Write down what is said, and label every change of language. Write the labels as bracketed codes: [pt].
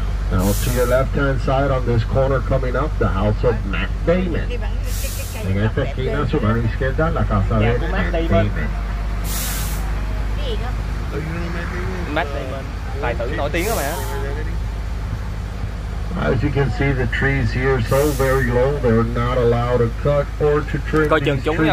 [en] Now to your left hand side on this corner coming up, the house of Matt Damon. [es] En esta esquina, su mano izquierda, la casa de Matt Damon. [vi] Matt Damon, tài tử nổi tiếng đó mẹ. [en] As you can see, the trees here are so very low, they're not allowed to cut or to trim these trees.